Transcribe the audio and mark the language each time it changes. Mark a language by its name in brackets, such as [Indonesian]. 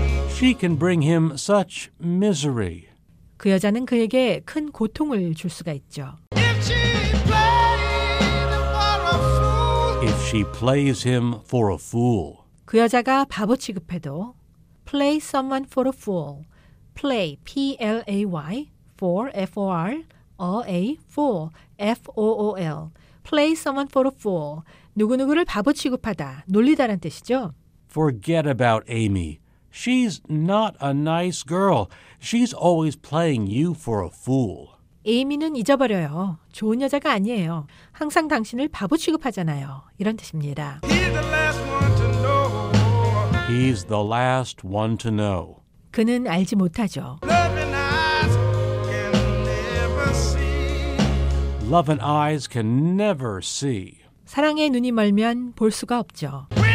[English] She can bring him such misery. [Korean] 그 여자는 그에게 큰 고통을 줄 수가 있죠. [English] If she played him for a fool. If she plays him for a fool. [Korean] 그 여자가 바보 취급해도 [English] play someone for a fool. play, P-L-A-Y, for, F-O-R, a, a, fool, F-O-O-L. Play someone for a fool. [Korean] 누구누구를 바보 취급하다, 놀리다란 뜻이죠. [English] Forget about Amy. She's not a nice girl. She's always playing you for a fool. [Korean] 에이미는 잊어버려요. 좋은 여자가 아니에요. 항상 당신을 바보 취급하잖아요. 이런 뜻입니다. [English] He's the last one to know. He's the last one to know. [Korean] 그는 알지 못하죠. [English] Love and eyes can never see. Love and eyes can never see. [Korean] 사랑의 눈이 멀면 볼 수가 없죠.